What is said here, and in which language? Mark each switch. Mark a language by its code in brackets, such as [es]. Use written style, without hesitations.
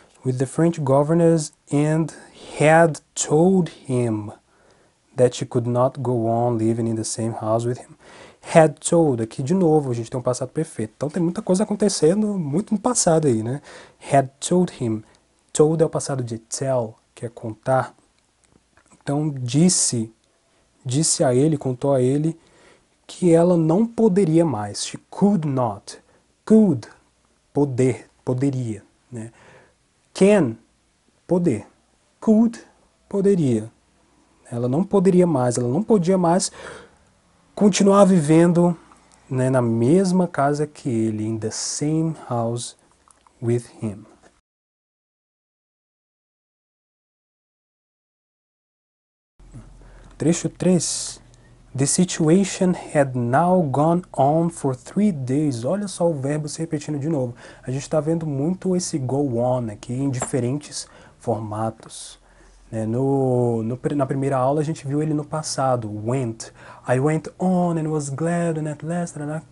[en] With the French governess and had told him that she could not go on living in the same house with him. Had told, [pt] aqui de novo, a gente tem um passado perfeito. Então tem muita coisa acontecendo muito no passado aí, né? [en] Had told him. [pt] Told é o passado de tell, que é contar. Então disse a ele, contou a ele, que ela não poderia mais. [en] She could not. Could, [pt] poder, poderia, né? Can, poder. Could, poderia. Ela não poderia mais, ela não podia mais continuar vivendo, né, na mesma casa que ele, [en] in the same house with him. [pt] Trecho 3. [en] The situation had now gone on for 3 days. [pt] Olha só o verbo se repetindo de novo. A gente está vendo muito esse go on aqui em diferentes formatos. Né? Na primeira aula a gente viu ele no passado, went. [en] I went on and was glad and at last, né?